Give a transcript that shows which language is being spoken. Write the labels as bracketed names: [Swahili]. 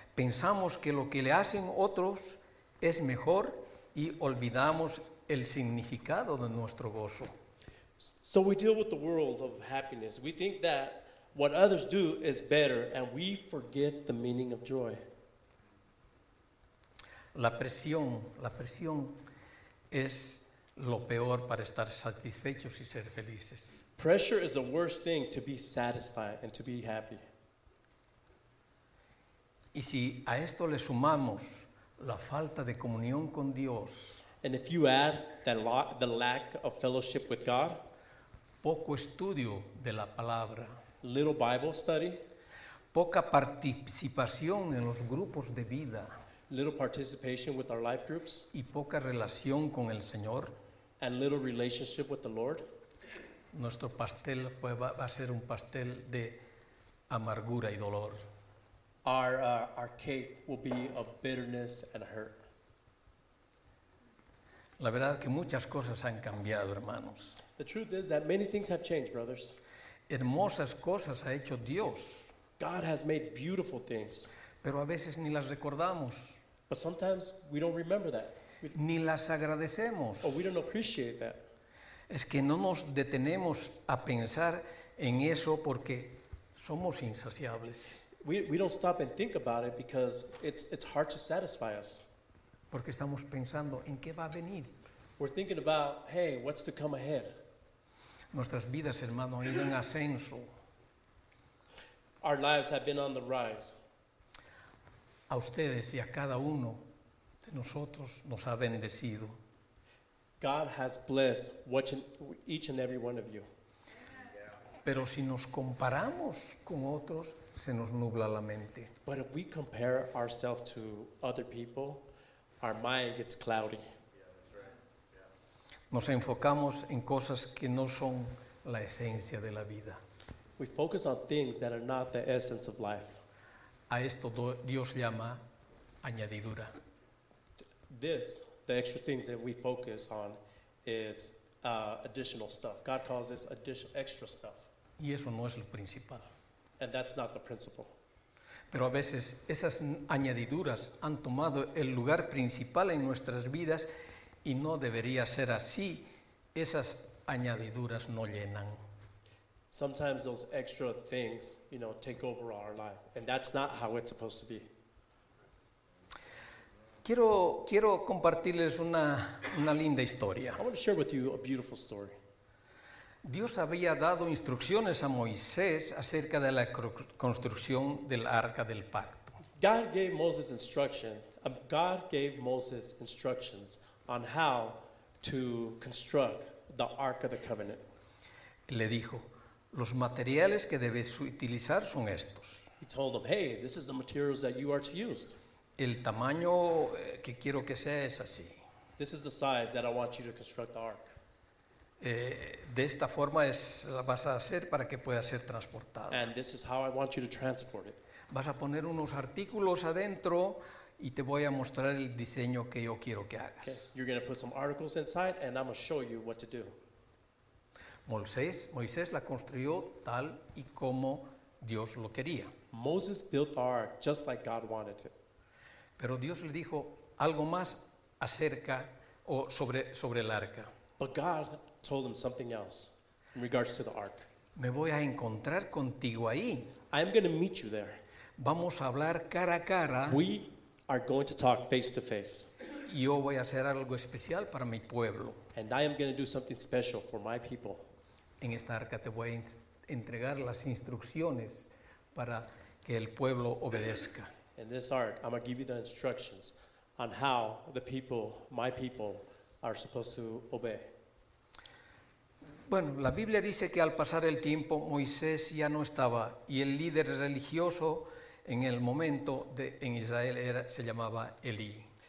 [Spanish] Pensamos que lo que le hacen otros es mejor y olvidamos el significado de nuestro gozo. [English] So we deal with the world of happiness. We think that what others do is better, and we forget the meaning of joy. [Spanish] La presión es lo peor para estar satisfechos y ser felices. [English] Pressure is the worst thing to be satisfied and to be happy. [Spanish] Y si a esto le sumamos la falta de comunión con Dios, [English] and if you add the lack of fellowship with God, [Spanish] poco estudio de la palabra, [English] little Bible study, [Spanish] poca participación en los grupos de vida, [English] little participation with our life groups, [Spanish] y poca relación con el Señor, [English] and little relationship with the Lord, [Spanish] nuestro pastel va a ser un pastel de amargura y dolor. [English] Our cake will be of bitterness and hurt. [Spanish] La verdad que muchas cosas han cambiado, hermanos. [English] The truth is that many things have changed, brothers. [Spanish] Hermosas cosas ha hecho Dios. [English] God has made beautiful things. [Spanish] Pero a veces ni las recordamos. [English] But sometimes we don't remember that. [Spanish] Ni las agradecemos. [English] Or we don't appreciate that. [Spanish] Es que no nos detenemos a pensar en eso porque somos insaciables. [English] We don't stop and think about it because it's hard to satisfy us. [Spanish] Porque estamos pensando en qué va a venir. [English] We're thinking about, hey, what's to come ahead? [Spanish] Nuestras vidas, hermano, han ido en ascenso. [English] Our lives have been on the rise. [Spanish] A ustedes y a cada uno de nosotros nos ha bendecido. [English] God has blessed each and every one of you. [Spanish] Pero si nos comparamos con otros, se nos nubla la mente. [English] But if we compare ourselves to other people, our mind gets cloudy. Yeah, that's right. Yeah. [Spanish] Nos enfocamos en cosas que no son la esencia de la vida. [English] We focus on things that are not the essence of life. [Spanish] A esto Dios llama añadidura. [English] This, the extra things that we focus on, is additional stuff. God calls this extra stuff. [Spanish] Y eso no es lo principal. [English] And that's not the principle. [Spanish] Pero a veces esas añadiduras han tomado el lugar principal en nuestras vidas y no debería ser así. Esas añadiduras no llenan. [English] Sometimes those extra things, you know, take over our life. And that's not how it's supposed to be. [Spanish] Quiero compartirles una linda historia. [English] I want to share with you a beautiful story. [Spanish] Dios había dado instrucciones a Moisés acerca de la construcción del arca del pacto. [English] God gave Moses instructions on how to construct the Ark of the Covenant. [Spanish] Le dijo, los materiales que debes utilizar son estos. [English] He told them, hey, this is the materials that you are to use. [Spanish] El tamaño que quiero que sea es así. [English] This is the size that I want you to construct the ark. [Spanish] De esta forma es, vas a hacer para que pueda ser transportado. [English] And this is how I want you to transport it. [Spanish] Vas a poner unos artículos adentro y te voy a mostrar el diseño que yo quiero que hagas. [English] Okay. You're going to put some articles inside and I'm going to show you what to do. [Spanish] Moisés la construyó tal y como Dios lo quería. [English] Moses built the ark just like God wanted it. [Spanish] Pero Dios le dijo algo más acerca o sobre el arca. [English] But God told him something else in regards to the ark. [Spanish] Me voy a encontrar contigo ahí. [English] I am going to meet you there. [Spanish] Vamos a hablar cara a cara. [English] We are going to talk face to face. [Spanish] Yo voy a hacer algo especial para mi pueblo. [English] And I am going to do something special for my people. [Spanish] En esta arca te voy a entregar las instrucciones para que el pueblo obedezca. [English] In this ark, I'm going to give you the instructions on how the people, my people, are supposed to obey. [Spanish] Bueno, la Biblia dice que al pasar el tiempo, Moisés ya no estaba, y el líder religioso en el momento en Israel se llamaba Elí.